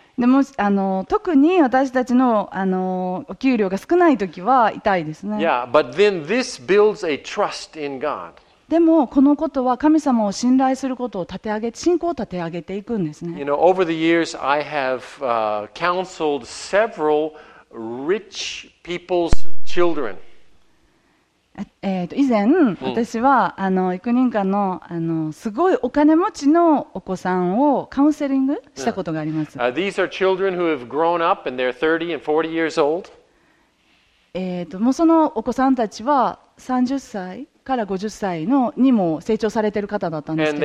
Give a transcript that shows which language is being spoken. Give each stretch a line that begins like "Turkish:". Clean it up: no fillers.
Japanese: でも特に私たちのお給料が少ない時は痛いですね。
English: Yeah, but then this builds a trust in God.
Japanese: でもこのことは神様を信頼することを立て上げ、信仰を立て上げていくんですね。
English: You know, over the years I have counseled severalRich people's children.
Japanese: 以前、私は幾人かのすごいお金持ちのお子さんをカウンセリングしたことがあります。
English: These are children who have grown up and they're 30 and 40 years old.
Japanese: もうそのお子さんたちは30歳から50歳のにも成長されている方だったんですけど。